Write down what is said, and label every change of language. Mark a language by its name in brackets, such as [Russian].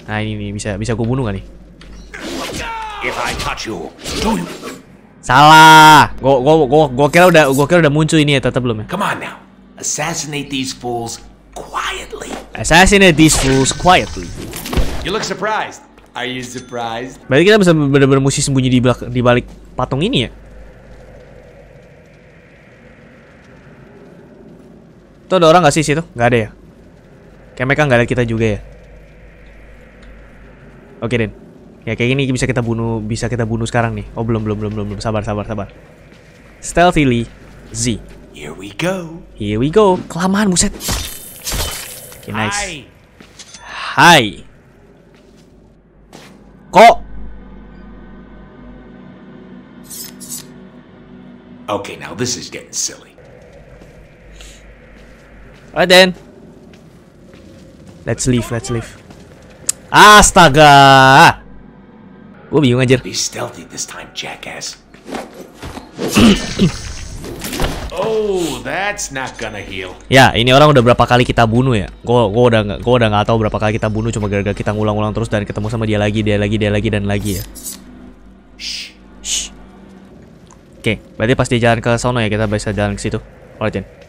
[Indonesian] Nah ini nih, bisa gue bunuh nggak nih? [English] If I touch you, do you? [Indonesian] Salah. Gua kira udah muncul ini ya, tetap belum ya. [English] Come on now. Assassinate these fools quietly. Assassinate these fools quietly. You look surprised. Are you surprised? [Indonesian] Berarti kita bisa benar-benar mesti sembunyi di balik patung ini ya. Itu ada orang enggak sih situ? Enggak ada ya. Kayak mereka enggak lihat kita juga ya. Oke, Den. Ya kayak gini bisa kita bunuh sekarang nih. Oh belum. Sabar. [English] Stealthily Z. Here we go. [Indonesian] Kelamaan buset. [English] Okay, nice. Hi. [Indonesian] Kok? [English] Okay, now this is getting silly. Alright then. Let's leave. [Indonesian] Astaga. Gue bingung anjir. [English] Be stealthy this time, jackass. Oh, that's not gonna heal. [Indonesian] Ya, ini orang udah berapa kali kita bunuh ya. Gue udah gak tahu berapa kali kita bunuh. Cuma gara-gara kita ngulang-ulang terus dan ketemu sama dia lagi, dan lagi ya. Shh. Oke, okay, berarti pas dia jalan ke sono ya, kita bisa jalan ke situ. [English] Alright, Jen.